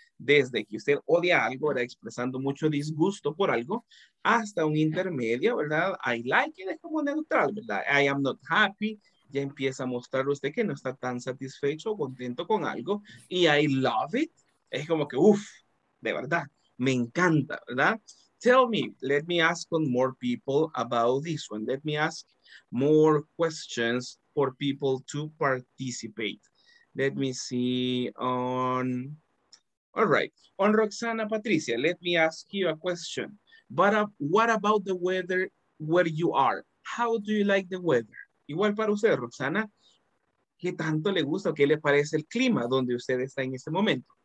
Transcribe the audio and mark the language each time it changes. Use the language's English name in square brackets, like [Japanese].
[Spanish] Desde que usted odia algo, era expresando mucho disgusto por algo, hasta un intermedio, ¿verdad? [English] I like it, [Spanish] es como neutral, ¿verdad? [English] I am not happy, [Spanish] ya empieza a mostrar usted que no está tan satisfecho o contento con algo. Y [English] I love it, [Spanish] es como que, uff, de verdad, me encanta, ¿verdad? [English] Tell me, let me ask on more people about this one. Let me ask more questions for people to participate. Let me see on, all right. On Roxana Patricia, let me ask you a question. But what about the weather where you are? How do you like the weather? [Spanish] Igual para usted, Roxana, ¿qué tanto le gusta o qué le parece el clima donde usted está en este momento?